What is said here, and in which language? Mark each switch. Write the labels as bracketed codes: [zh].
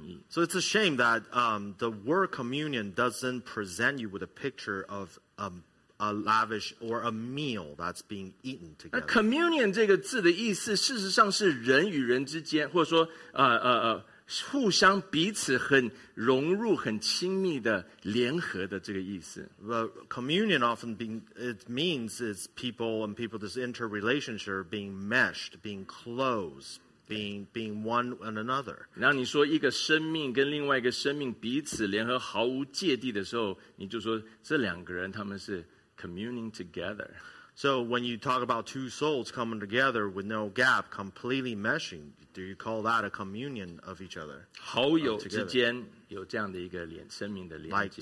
[en] So it's a shame that the word communion doesn't present you with a picture of a lavish or a meal that's being eaten together. [zh] Communion这个字的意思，事实上是人与人之间，或者说互相彼此很融入、很亲密的联合的这个意思。 [en] But communion often it means people and people, this interrelationship being meshed, being close. Being one and another. [zh] 然后你说一个生命跟另外一个生命彼此联合毫无芥蒂的时候，你就说这两个人他们是 [en] communing together. So when you talk about two souls coming together with no gap, completely meshing, do you call that a communion of each other? [zh] 好友之间有这样的一个生命的连接。